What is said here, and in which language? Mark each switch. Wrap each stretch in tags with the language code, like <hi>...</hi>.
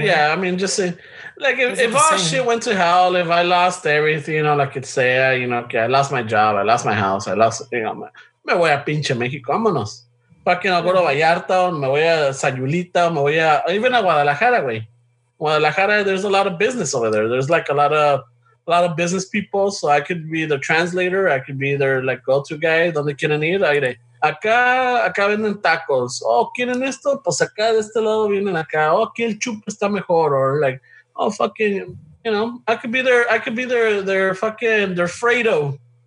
<en>Yeah, right? I mean, just say... Like if all shit went to hell, if I lost everything, you know, like it's there, you know, okay, I lost my job, I lost my house, I lost, you know,</en> <es>me voy a pinche México, vámonos.</es> <en>Fucking I'll go to Vallarta,</en> <es>me voy a Sayulita, me voy a even a Guadalajara, güey.</es> <en>Guadalajara, there's a lot of business over there. There's like a lot of business people, so I could be the translator, I could be their like go-to guy.</en> <es>¿Dónde quieren ir? Aire. Acá venden tacos. Oh, ¿quieren esto? Pues acá de este lado vienen acá. Oh, aquí el chupo está mejor.</es> <en>Or like, oh fucking, you know, I could be their their Fredo.</en>